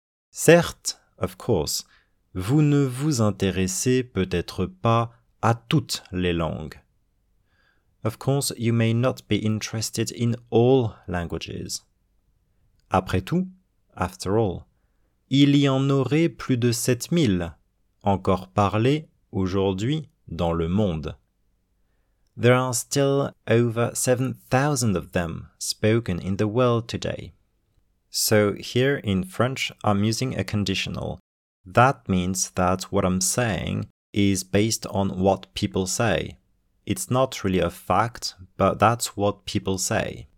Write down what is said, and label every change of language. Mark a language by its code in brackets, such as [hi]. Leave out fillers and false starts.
[fr] Certes, [en] of course, [fr] vous ne vous intéressez peut-être pas à toutes les langues. [en] Of course, you may not be interested in all languages. [fr] Après tout, [en] after all, [fr] il y en aurait plus de 7000 encore parlées aujourd'hui dans le monde. [en] There are still over 7000 of them spoken in the world today. So here in French, I'm using a conditional. That means that what I'm saying is based on what people say. It's not really a fact, but that's what people say.